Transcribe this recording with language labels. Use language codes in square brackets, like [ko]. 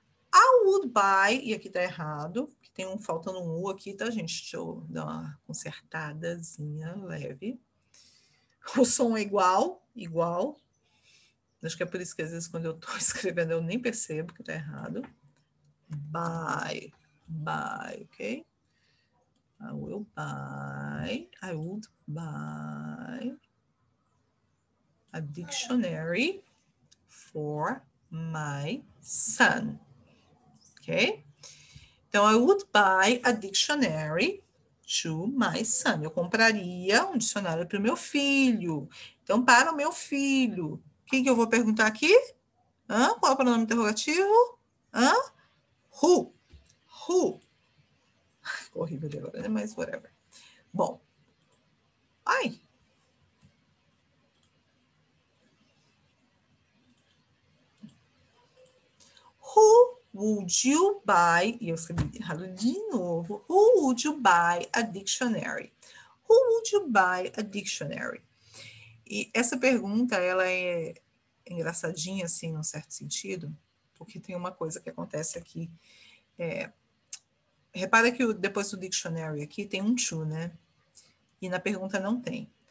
[en] I would buy, [pt] e aqui tá errado, que tem um faltando um U aqui, tá, gente? Deixa eu dar uma consertadazinha leve. O som é igual, igual. Acho que é por isso que às vezes quando eu tô escrevendo eu nem percebo que tá errado. [en] Buy, buy, ok? I would buy a dictionary for my son. Okay? Então, I would buy a dictionary to my son. [pt] Eu compraria um dicionário para o meu filho. Então, para o meu filho. Quem que eu vou perguntar aqui? Hã? Qual é o pronome interrogativo? Hã? Who? Who? Ficou horrível agora, né? Mas whatever. Bom. Ai. [en] Would you buy, [pt] e eu escrevi errado de novo, [en] who would you buy a dictionary? Who would you buy a dictionary? [pt] E essa pergunta, ela é engraçadinha, assim, num certo sentido, porque tem uma coisa que acontece aqui. Repara que depois do dictionary aqui tem um to, né? E na pergunta não tem.